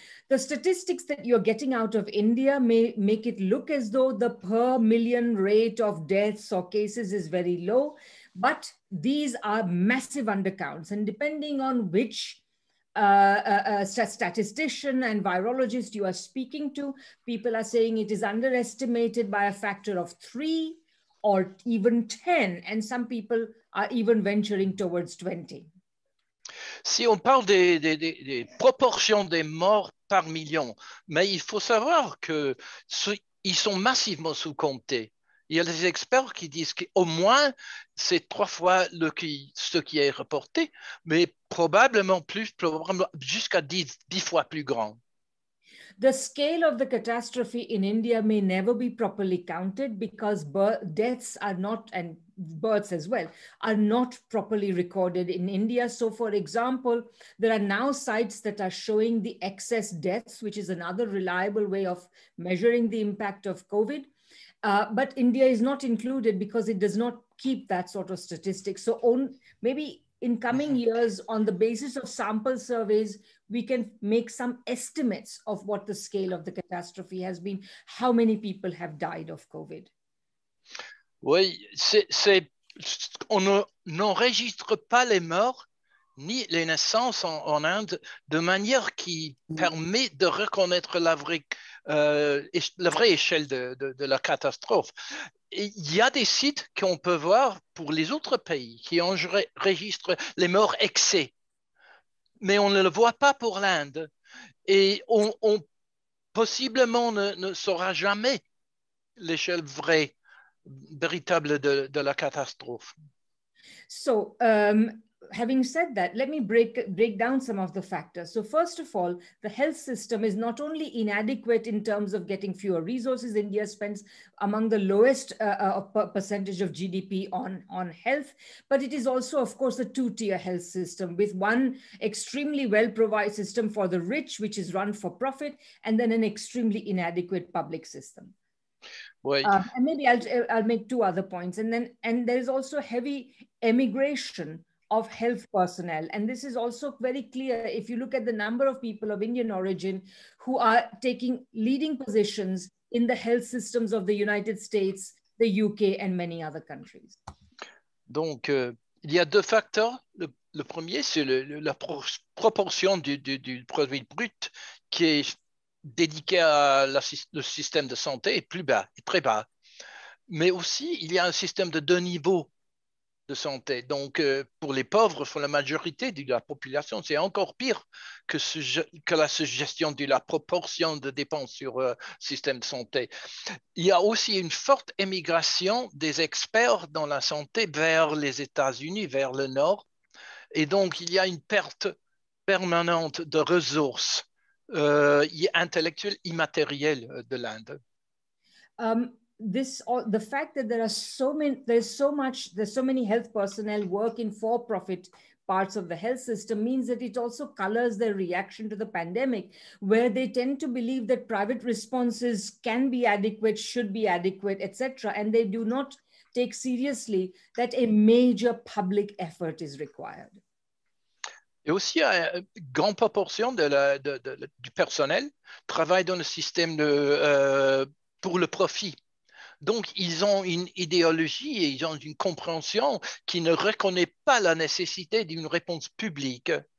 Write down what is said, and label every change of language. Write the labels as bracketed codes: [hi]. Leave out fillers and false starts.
[en] The statistics that you're getting out of India may make it look as though the per million rate of deaths or cases is very low, but these are massive undercounts. And depending on which statistician and virologist you are speaking to, people are saying it is underestimated by a factor of 3 or even 10. And some people are even venturing towards 20. [fr] Si on parle des proportions des morts par million, mais il faut savoir qu'ils sont massivement sous-comptés. Il y a des experts qui disent qu'au moins c'est 3 fois ce qui est reporté, mais probablement plus, probablement jusqu'à 10 fois plus grand. [en] The scale of the catastrophe in India may never be properly counted because deaths are not, and births as well, are not properly recorded in India. So, for example, there are now sites that are showing the excess deaths, which is another reliable way of measuring the impact of COVID. But India is not included because it does not keep that sort of statistic. So maybe in coming years, on the basis of sample surveys, we can make some estimates of what the scale of the catastrophe has been, how many people have died of COVID. [fr] Oui, c'est on n'enregistre pas les morts ni les naissances en Inde de manière qui permet de reconnaître la vraie échelle de la catastrophe. Il y a des sites qu'on peut voir pour les autres pays qui enregistrent les morts excès. Mais on ne le voit pas pour l'Inde et on possiblement ne saura jamais l'échelle vraie, véritable de la catastrophe. [en] So having said that, let me break down some of the factors. So first of all, the health system is not only inadequate in terms of getting fewer resources. India spends among the lowest percentage of GDP on health, but it is also, of course, a two-tier health system with one extremely well-provided system for the rich, which is run for profit, and then an extremely inadequate public system. And maybe I'll make 2 other points. And there is also heavy emigration of health personnel. And this is also very clear if you look at the number of people of Indian origin who are taking leading positions in the health systems of the United States, the UK, and many other countries. [fr] Donc, il y a 2 facteurs. Le premier, c'est la proportion du produit brut qui est dédiqué à le système de santé est plus bas, est très bas. Mais aussi, il y a un système de 2 niveaux de santé. Donc, pour les pauvres, pour la majorité de la population, c'est encore pire que, que la suggestion de la proportion de dépenses sur le système de santé. Il y a aussi une forte émigration des experts dans la santé vers les États-Unis, vers le Nord. Et donc, il y a une perte permanente de ressources intellectuelles immatérielles de l'Inde. [en] The fact that there's so many health personnel work in for-profit parts of the health system means that it also colors their reaction to the pandemic, where they tend to believe that private responses can be adequate, should be adequate, etc., and they do not take seriously that a major public effort is required. [fr] Et aussi, une grande proportion du personnel travaille dans le système pour le profit. Donc, ils ont une idéologie et ils ont une compréhension qui ne reconnaît pas la nécessité d'une réponse publique.